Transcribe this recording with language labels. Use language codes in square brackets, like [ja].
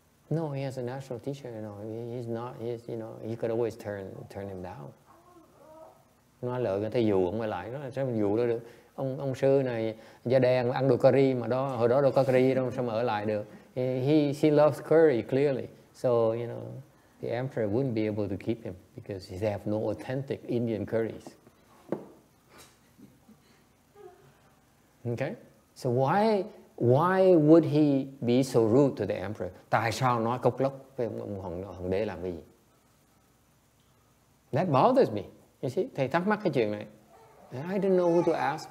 [en] No, he has a natural teacher, you know. He's not, he's, you know, he could always turn him down. [vi] Nói lợi người ta dụ ông ấy lại, nó là sao mình dụ được. Ông sư này da đen ăn đồ curry mà đó, hồi đó đồ curry đâu sao mà ở lại được. [en] He loves curry clearly. So, you know, the emperor wouldn't be able to keep him because he have no authentic Indian curries. Okay? So why would he be so rude to the emperor? [vi] Tại sao nói cốc lốc với hoàng đế làm cái gì? [en] That bothers me. You see, [vi] thầy thắc mắc cái chuyện này. [en] And I didn't know who to ask.